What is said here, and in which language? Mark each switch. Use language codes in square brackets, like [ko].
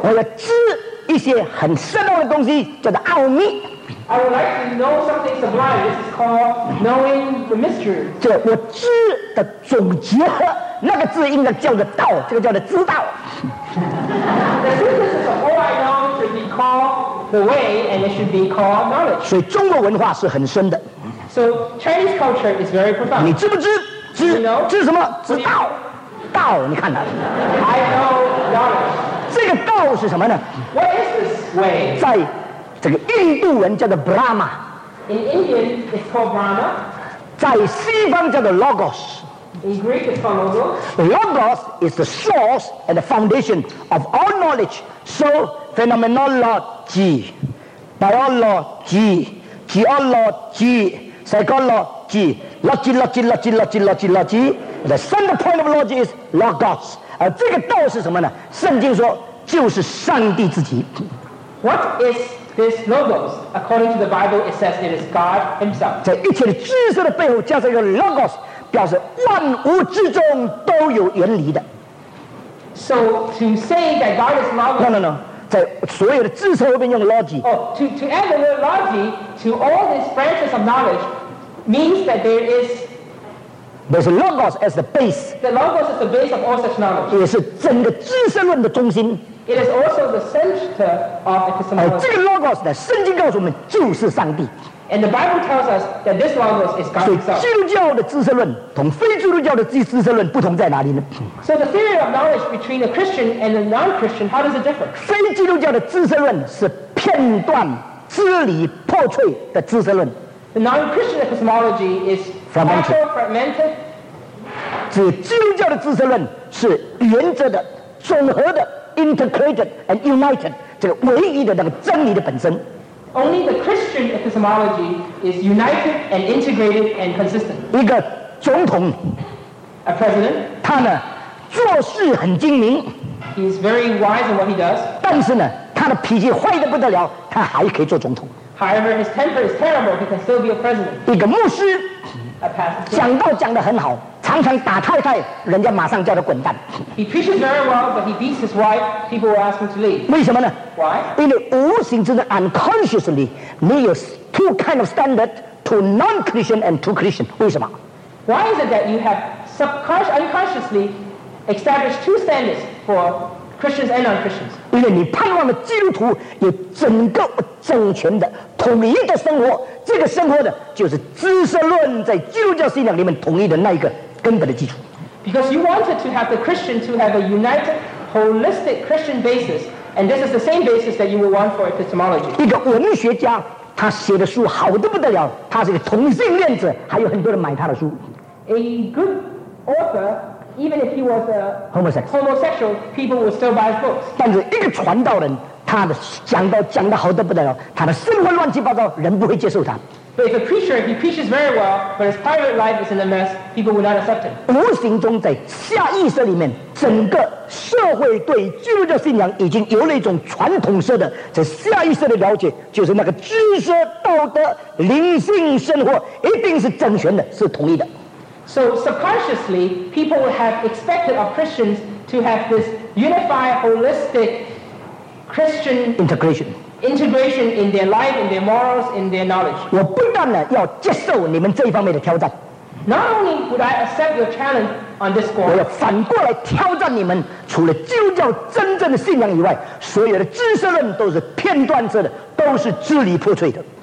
[zh] 我要知一些很深奥的东西，叫做奥秘。 [en] I would like to know something sublime. This is called knowing the mystery. [zh] 这我知的总结合，那个字应该叫做道，这个叫做知道。 [en] The synthesis of all I know should be called the way, and it should be called knowledge. [zh] 所以中国文化是很深的。 [en] So Chinese culture is very profound. [zh] 你知不知？知 [en] you know? [zh] 知什么？知道。道，你看到 [en] I know knowledge. [zh] 这个道是什么呢 [en] ？What is this way? [zh] 在这个印度人叫做 Brahma. [en] In Indian, it's called Brahma. [zh] 在西方叫做 Logos. [en] In Greek, it's called Logos. Logos is the source and the foundation of all knowledge. So, phenomenology, biology, geology, psychology, logy. The center point of logic is Logos. [zh] 这个道是什么呢？圣经说就是上帝自己。 [en] What is this Logos? According to the Bible, it says it is God himself. [zh] 在一切的知识的背后加上一个 Logos, 表示万物之中都有原理的。 [en] So to say that God is Logos... No. [zh] 在所有的知识后面用 Logi. [en] To add the word Logi to all these branches of knowledge means that there is... There's a logos as the base. The logos is the base of all such knowledge. [zh] 也是整个知识论的中心。 [en] It is also the center of epistemology. [zh] 这个 logos 呢，圣经告诉我们就是上帝。 [en] And the Bible tells us that this logos is God himself. [zh] 所以基督教的知识论同非基督教的知识论不同在哪里呢 [en] ？So the theory of knowledge between a Christian and a non-Christian, how does it differ? [zh] 非基督教的知识论是片段、支离破碎的知识论。 [en] The non-Christian epistemology is fragmented. Fragmented. [zh] 指基督教的知识论是原则的、总和的 ， [en] integrated and united， [zh] 这个唯一的那个真理的本身。 [en] Only the Christian epistemology is united and integrated and consistent. [zh] 一个总统 [en] ，a president， [zh] 他呢做事很精明 [en] ，he is very wise in what he does。 [zh] 但是呢，他的脾气坏得不得了，他还可以做总统。 [en] However, his temper is terrible. He can still be a president. [zh] 一个牧师 [en] ，a pastor， [zh] 讲道讲得很好，常常打太太，人家马上叫他滚蛋。 [en] He preaches very well, but he beats his wife. People will ask him to leave. [zh] 为什么呢 [en] ？Why? [zh] 因为无形之中 [en] ，unconsciously， [zh] 你有 [en] two kind of standard to non-Christian and to Christian. [zh] 为什么 [en] ？Why is it that you have unconsciously established two standards for? Christians and non-Christians. [zh] 因为你盼望的基督徒有整个整全的统一的生活，这个生活的就是知识论在基督教信仰里面统一的那一个根本的基础。 [en] Because you wanted to have the Christian to have a united, holistic Christian basis, and this is the same basis that you would want for epistemology. [zh] 一个文学家，他写的书好得不得了，他是一个同性恋者，还有很多人买他的书。 [en] A good author. Even if he was a homosexual, people would still buy his books. [zh] 但是一个传道人，他的讲道讲得好得不得了，他的生活乱七八糟，人不会接受他。 [en] But if a preacher, if he preaches very well, but his private life is in a mess, people would not accept him. [zh] 无形中在下意识里面，整个社会对基督教信仰已经有了一种传统式的在下意识的了解，就是那个知识、道德、灵性生活一定是整全的，是统一的。 [en] So subconsciously, people would have expected of Christians to have this unified, holistic Christian integration in their life, in their morals, in their knowledge. [zh] 我不断地要接受你们这一方面的挑战。 [en] Not only would I accept your challenge on this score, [zh] 我要反过来挑战你们，除了基督教真正的信仰以外，所有的知识论都是片段式的，都是支离破碎的。